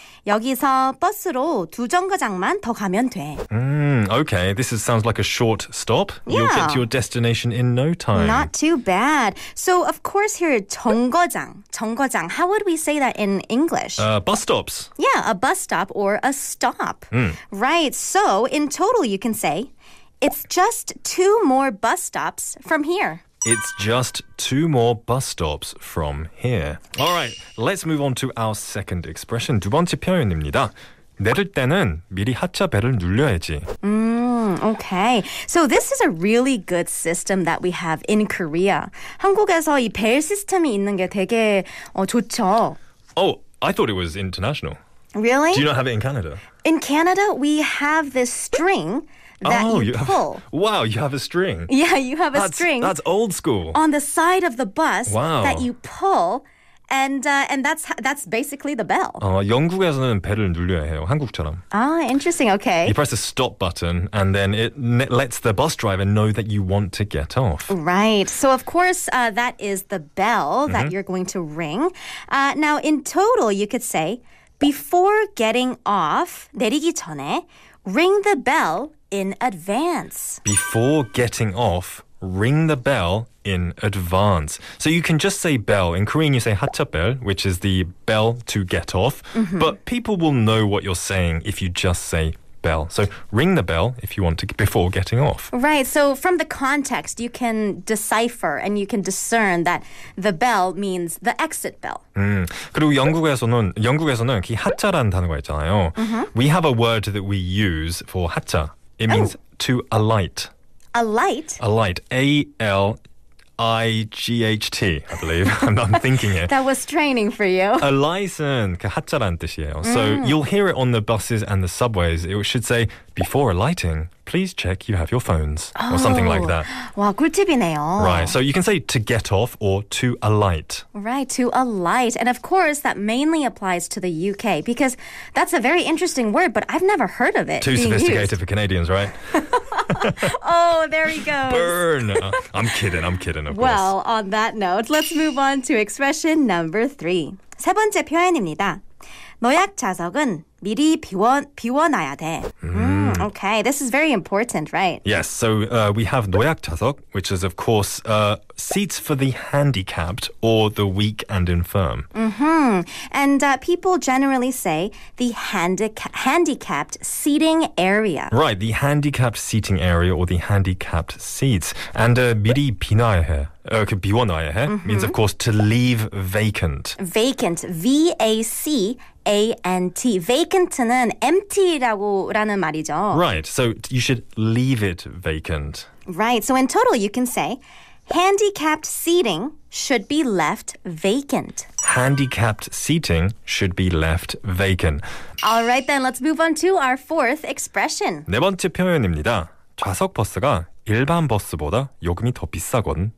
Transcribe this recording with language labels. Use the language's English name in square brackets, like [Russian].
[Korean] 여기서 버스로 두 정거장만 더 가면 돼. [English] Okay, this is, sounds like a short stop. Yeah. You'll get to your destination in no time. Not too bad. So, of course, here, 정거장. 정거장. How would we say that in English? Bus stops. Yeah, a bus stop or a stop. Mm. Right. So, in total, you can say, it's just two more bus stops from here. It's just two more bus stops from here. All right, let's move on to our second expression. [Korean] 두 번째 표현입니다. 내릴 때는 미리 하차벨을 눌려야지. [English] Okay. So this is a really good system that we have in Korea. [Korean] 한국에서 이 벨 시스템이 있는 게 되게 좋죠. [English] Oh, I thought it was international. Really? Do you not have it in Canada? In Canada, we have this string that you pull. Wow, you have a string. Yeah, you have a string. That's old school. On the side of the bus wow. that you pull, and that's basically the bell. [Korean] 영국에서는 벨을 눌려야 해요, 한국처럼. [English] Ah, interesting, okay. You press a stop button, and then it lets the bus driver know that you want to get off. Right, so of course, that is the bell mm-hmm. that you're going to ring. Now, in total, you could say, before getting off, [Korean] 내리기 전에, [English] ring the bell in advance. Before getting off, ring the bell in advance. So you can just say bell. In Korean, you say 하차벨, which is the bell to get off. Mm-hmm. But people will know what you're saying if you just say bell. So ring the bell if you want to before getting off. Right. So from the context, you can decipher and you can discern that the bell means the exit bell. [Korean] 그리고 영국에서는 그 하차라는 단어가 있잖아요. Mm-hmm. [English] We have a word that we use for 하차. It means to alight. A light? A light. A-L-I-G-H-T, I believe. I'm thinking it. That was training for you. A license, [Korean] 그 하차라는 뜻이에요. [English] So you'll hear it on the buses and the subways. It should say, before alighting, please check you have your phones. Oh. Or something like that. Wow, [Korean] 꿀팁이네요. [English] Right, so you can say to get off or to alight. Right, to alight. And of course, that mainly applies to the UK because that's a very interesting word, but I've never heard of it. Too sophisticated for Canadians, right? Oh, there he goes. Burn. I'm kidding, of course. Well, on that note, let's move on to expression number three. [Korean] 세 번째 표현입니다. 노약 좌석은 미리 비워놔야 돼. [English] Okay, this is very important, right? Yes, so we have 노약 좌석, which is, of course, seats for the handicapped or the weak and infirm. Mm-hmm. And people generally say the handicapped seating area. Right, the handicapped seating area or the handicapped seats. And [Korean] 미리 비워놔야 해. 비워놔야 해 mm-hmm. [English] means, of course, to leave vacant. Vacant, V-A-C-A-N-T. [Korean] Vacant는 empty라는 말이죠. [English] Right, so you should leave it vacant. Right, so in total you can say, handicapped seating should be left vacant. Handicapped seating should be left vacant. All right then, let's move on to our fourth expression. [Korean] 네 번째 표현입니다. 좌석 버스가 일반 버스보다 요금이 더 비싸거든.